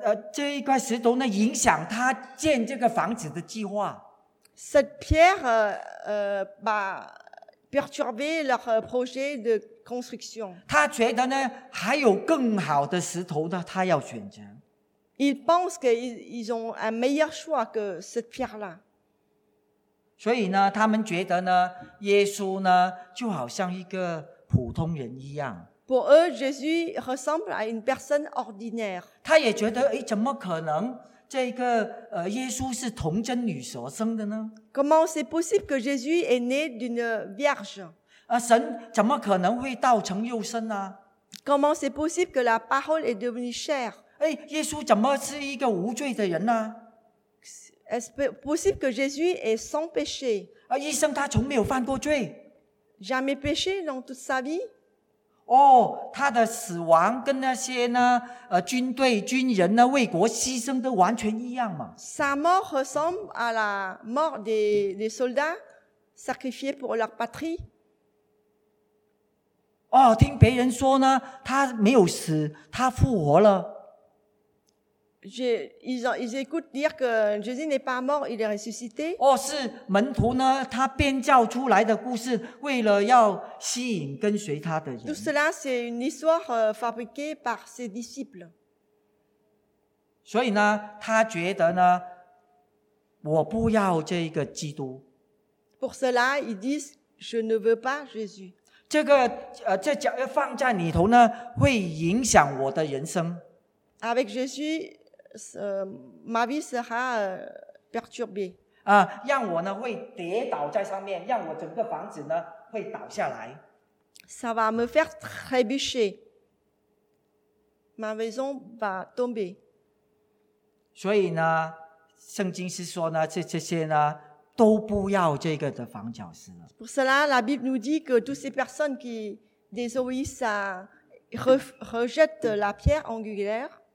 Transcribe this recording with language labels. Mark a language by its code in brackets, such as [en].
[zh] 这一块石头呢，影响他建这个房子的计划。 [fr] Cette pierre va perturber leur projet de construction. [zh] 他觉得呢，还有更好的石头呢，他要选择。 [fr] Ils pensent qu'ils ont un meilleur choix que cette pierre-là. [zh] 所以呢，他们觉得呢，耶稣呢，就好像一个普通人一样。 [fr] Pour eux, Jésus ressemble à une personne ordinaire. [zh] 他也觉得，哎，怎么可能这个耶稣是童贞女所生的呢？ [fr] Comment c'est possible que Jésus est né d'une vierge? [zh] 神怎么可能会道成肉身呢？ [fr] Comment c'est possible que la parole est devenue chair? [zh] 哎，耶稣怎么是一个无罪的人呢？ [fr] Est-ce possible que Jésus est sans péché? [zh] 一生他从没有犯过罪。 [fr] Jamais péché dans toute sa vie? [zh] 哦，他的死亡跟那些呢，军队军人呢为国牺牲都完全一样嘛。 [fr] Sa mort ressemble à la mort des soldats sacrifiés pour leur patrie。 [zh] 哦，听别人说呢，他没有死，他复活了。 [fr] Ils écoutent dire que Jésus n'est pas mort, il est ressuscité。 [zh] 哦，是门徒呢，他编造出来的故事，为了要。吸引跟随他的人。 [fr] Tout cela, c'est une histoire fabriquée par ses disciples. [zh] 所以呢，他觉得呢，我不要这个基督。 [fr] Pour cela, ils disent, je ne veux pas Jésus. [zh] 这个这脚要放在里头呢，会影响我的人生。 [fr] Avec Jésus, ma vie sera perturbée. [zh] 让我呢会跌倒在上面，让我整个房子呢。会倒下来。 [fr] Ça va me faire trébucher. Ma maison va tomber. [zh] 所以呢，圣经是说呢，这些呢，都不要这个的房角石了。 [fr] Pour cela, la Bible nous dit que toutes ces personnes qui désobéissent rejettent la pierre angulaire.